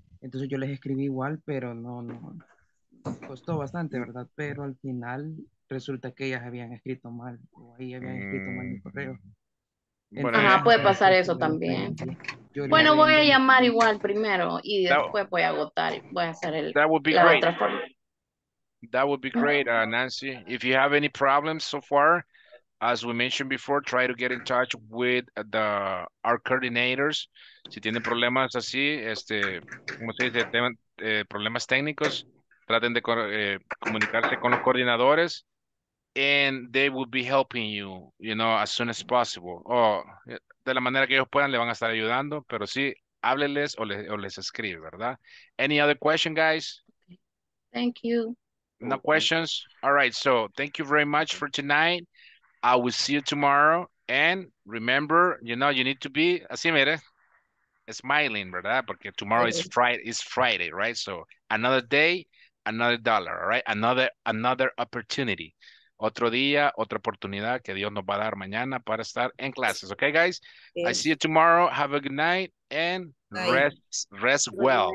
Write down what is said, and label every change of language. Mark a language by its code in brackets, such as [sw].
[es] Entonces yo les escribí igual, pero no costó bastante, ¿verdad? Pero al final resulta que ellas habían escrito mal, o ahí habían escrito mal mi correo. Bueno, ajá, puede pasar eso también. Bueno, voy a llamar igual primero y después voy a agotar y voy a hacer el [en] That would be la great. That would be great, Nancy. If you have any problems so far, as we mentioned before, try to get in touch with the our coordinators. [es] Si tienen problemas así, como se dice, problemas técnicos, traten de comunicarse con los coordinadores. [en] And they will be helping you, you know, as soon as possible. [es] O de la manera que ellos puedan, le van a estar ayudando. Pero sí, hábleles o les escribe, ¿verdad? [en] Any other question, guys? Thank you. No questions? All right, so thank you very much for tonight. I will see you tomorrow. And remember, you know, you need to be, [es] así mire, [en] smiling, ¿verdad? Porque tomorrow is Friday, right? So another day, another dollar, all right? Another opportunity. [es] Otro día, otra oportunidad que Dios nos va a dar mañana para estar en clases. [en] Okay, guys? Yes. I see you tomorrow. Have a good night and rest good well.